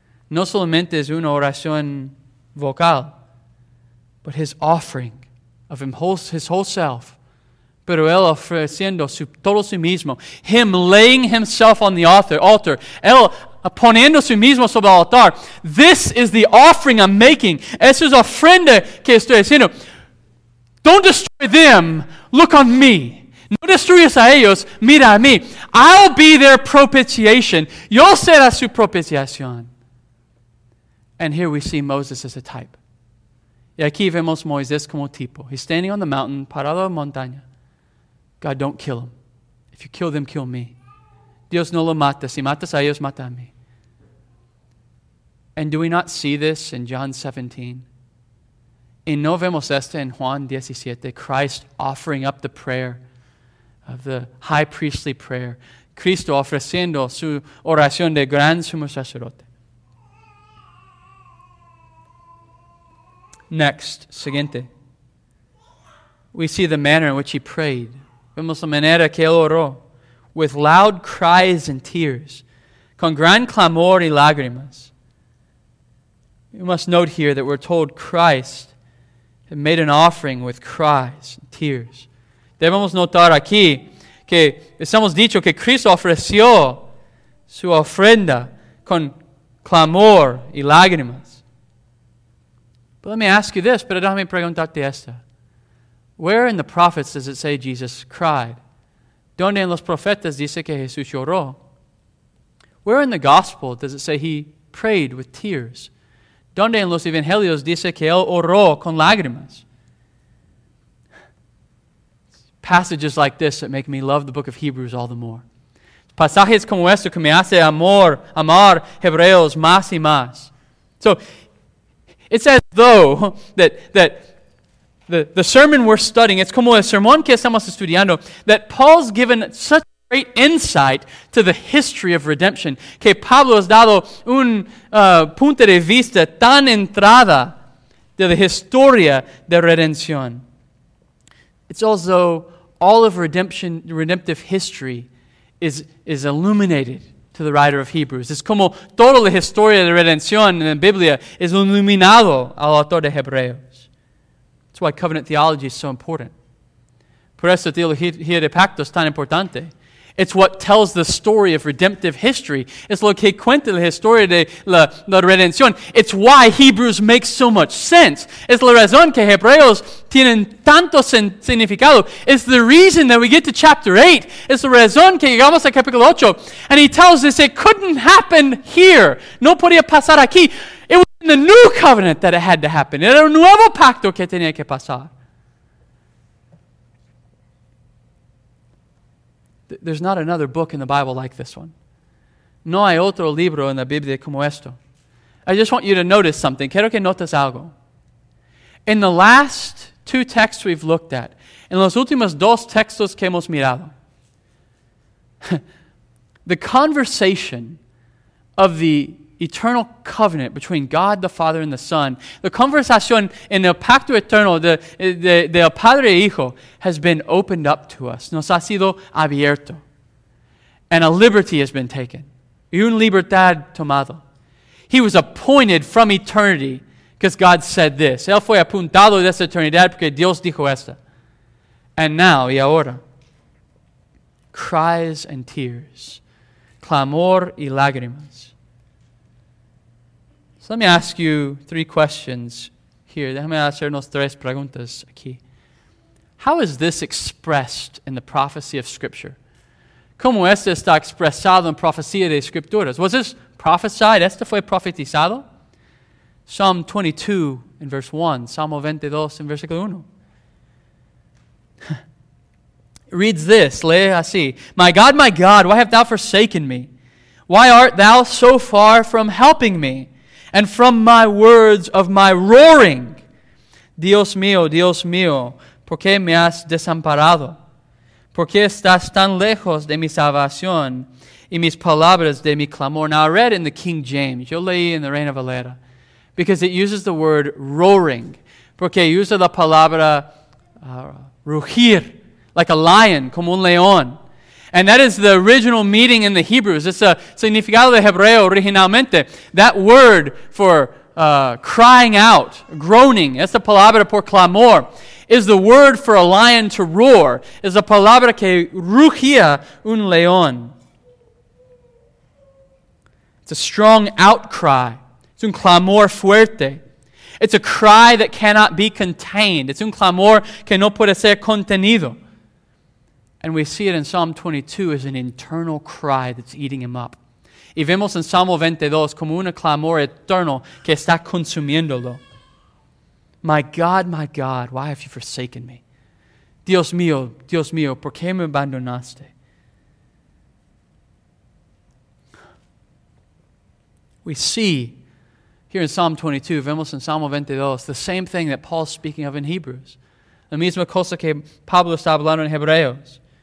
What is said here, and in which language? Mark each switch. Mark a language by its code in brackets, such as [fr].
[es] No solamente es una oración vocal, [en] but his offering of his whole self. [es] Pero él ofreciendo todo su mismo. [en] Him laying himself on the altar. [es] Él poniendo su mismo sobre el altar. [en] This is the offering I'm making. [es] Esa es ofrenda que estoy haciendo. [en] Don't destroy them. Look on me. [es] No destruyas a ellos. Mira a mí. [en] I'll be their propitiation. [es] Yo seré su propiciación. [en] And here we see Moses as a type. [es] Y aquí vemos Moisés como tipo. [en] He's standing on the mountain, [es] parado en montaña. [en] God, don't kill him. If you kill them, kill me. [es] Dios no lo mata. Si matas a ellos, mata a mí. [en] And do we not see this in John 17? [es] Y no vemos esto en Juan 17, [en] Christ offering up the prayer of the high priestly prayer. [es] Cristo ofreciendo su oración de gran sumo sacerdote. [en] Next, [es] siguiente. [en] We see the manner in which he prayed. [es] Vemos la manera que él oró. [en] With loud cries and tears. [es] Con gran clamor y lágrimas. [en] You must note here that we're told Christ had made an offering with cries and tears. [es] Debemos notar aquí que estamos dicho que Cristo ofreció su ofrenda con clamor y lágrimas. [en] But let me ask you this, [es] pero déjame preguntarte esta. [en] Where in the prophets does it say Jesus cried? [es] ¿Dónde en los profetas dice que Jesús lloró? [en] Where in the gospel does it say he prayed with tears? [es] ¿Dónde en los evangelios dice que él oró con lágrimas? [en] Passages like this that make me love the book of Hebrews all the more. [es] Pasajes como esto que me hace amar Hebreos más y más. [en] So, it's as though that the sermon we're studying, it's [es] como el sermón que estamos estudiando, [en] that Paul's given such great insight to the history of redemption, [es] que Pablo has dado un punto de vista tan entrada de la historia de redención. [en] It's as though all of redemption, redemptive history is illuminated to the writer of Hebrews. [es] Es como toda la historia de redención en la Biblia es iluminado al autor de Hebreos. [en] That's why covenant theology is so important. [es] Por eso teología de pacto es tan importante. [en] It's what tells the story of redemptive history. [es] It's lo que cuenta la historia de la redención. [en] It's why Hebrews makes so much sense. [es] Es la razón que Hebreos tienen tanto significado. [en] It's the reason that we get to chapter 8. [es] It's la razón que llegamos a capítulo 8. [en] And he tells us it couldn't happen here. [es] No podía pasar aquí. [en] It was in the new covenant that it had to happen. [es] Era un nuevo pacto que tenía que pasar. [en] There's not another book in the Bible like this one. [es] No hay otro libro en la Biblia como esto. [en] I just want you to notice something. [es] Quiero que notes algo. [en] In the last two texts we've looked at, [es] en los últimos dos textos que hemos mirado, [en] the conversation of the eternal covenant between God the Father and the Son, the conversation [es] en el pacto eterno de el Padre e Hijo [en] has been opened up to us. [es] Nos ha sido abierto. [en] And a liberty has been taken. [es] Y una libertad tomado. [en] He was appointed from eternity because God said this. [es] Él fue apuntado de esa eternidad porque Dios dijo esta. [en] And now, [es] y ahora, [en] cries and tears, [es] clamor y lágrimas. [en] So let me ask you three questions here. [es] Déjame hacernos tres preguntas aquí. [en] How is this expressed in the prophecy of Scripture? [es] ¿Cómo esto está expresado en profecía de Escrituras? [en] Was this prophesied? [es] ¿Esto fue profetizado? [en] Psalm 22 in verse 1. Psalm 22 in versículo 1. It reads this. [es] Lee así. [en] My God, why hast thou forsaken me? Why art thou so far from helping me? And from my words of my roaring, [es] Dios mío, Dios mío, ¿por qué me has desamparado? ¿Por qué estás tan lejos de mi salvación y mis palabras de mi clamor? [en] Now, I read in the King James. [es] Yo leí en [en] the Reina Valera. Because it uses the word roaring. [es] Porque usa la palabra rugir, [en] like a lion, [es] como un león. [en] And that is the original meaning in the Hebrews. It's a [es] significado de Hebreo originalmente. [en] That word for crying out, groaning, [es] es la palabra por clamor, [en] is the word for a lion to roar, is a [es] palabra que rugía un león. [en] It's a strong outcry. It's [es] un clamor fuerte. [en] It's a cry that cannot be contained. [es] It's un clamor que no puede ser contenido. [en] And we see it in Psalm 22 as an internal cry that's eating him up. [es] Y vemos en Salmo 22 como un clamor eterno que está consumiéndolo. [en] My God, why have you forsaken me? [es] Dios mío, ¿por qué me abandonaste? [en] We see here in Psalm 22, [es] vemos en Salmo 22, [en] the same thing that Paul's speaking of in Hebrews. [es] La misma cosa que Pablo está hablando en Hebreos.